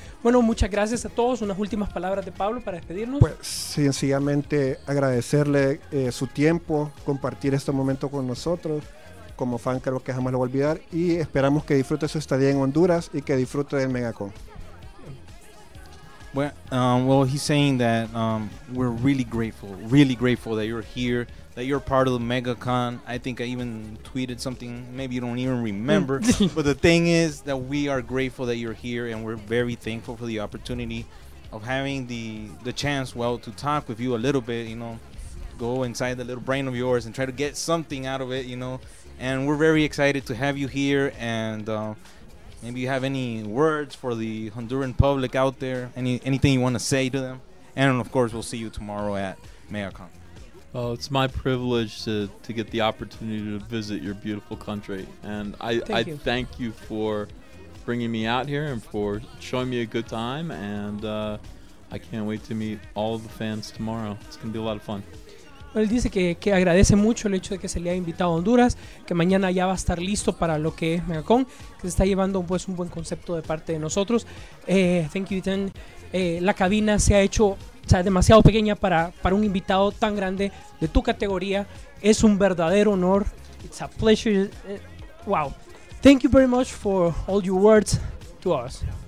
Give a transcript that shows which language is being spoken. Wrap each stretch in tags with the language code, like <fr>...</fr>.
<es>Bueno, muchas gracias a todos. Unas últimas palabras de Pablo para despedirnos. Pues sencillamente agradecerle su tiempo, compartir este momento con nosotros. Como fan creo que jamás lo voy a olvidar y esperamos que disfrute su estadía en Honduras y que disfrute del Megacon.</es> <en>Well, he's saying that we're really grateful that you're here, that you're part of the MegaCon. I think I even tweeted something, maybe you don't even remember. But the thing is that we are grateful that you're here and we're very thankful for the opportunity of having the chance, well, to talk with you a little bit, you know, go inside the little brain of yours and try to get something out of it, you know. And we're very excited to have you here and... maybe you have any words for the Honduran public out there? Anything you want to say to them? And of course, we'll see you tomorrow at MegaCon. Well, it's my privilege to get the opportunity to visit your beautiful country. And I thank you for bringing me out here and for showing me a good time. And I can't wait to meet all of the fans tomorrow. It's going to be a lot of fun.</en> <es>Bueno, él dice que agradece mucho el hecho de que se le haya invitado a Honduras, que mañana ya va a estar listo para lo que es MegaCon, que se está llevando pues, un buen concepto de parte de nosotros.</es> <en>Thank you,</en> <es>Ethan. La cabina se ha hecho demasiado pequeña para un invitado tan grande de tu categoría. Es un verdadero honor.</es> <en>It's a pleasure. Wow. Thank you very much for all your words to us.</en>